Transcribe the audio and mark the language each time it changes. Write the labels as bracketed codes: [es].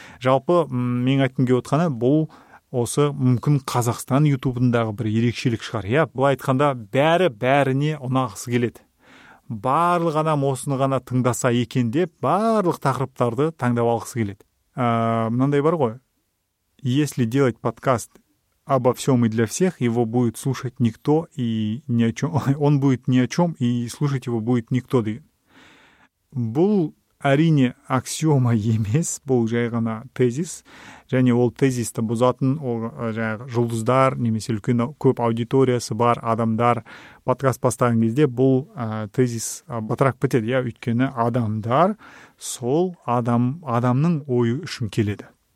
[kk] Жалпы мен айтқым келіп отқаны, бұл осы мүмкін Қазақстан YouTube-ындағы бір ерекшелік шығар. Иә, бұл айтқанда бәріне ұнағысы келеді. Барлық адам осыны ғана тыңдаса екен деп, барлық тақырыптарды таңдап алғысы келеді. Мынандай бар ғой. [ru] Если делать подкаст обо всем и для всех, его будет слушать никто и ни о чем. Он будет ни о чем, и слушать его будет никто [kk] деген. Бұл әрине аксиома емес, бұл жай ғана тезис. Және ол тезисті бұзатын ол жаңағы жұлдыздар, немесе үлкен көп аудиториясы бар адамдар подкаст бастаған кезде бұл тезис батырақ бітеді. Я, өйткені адамдар сол адамның ойы үшін келеді.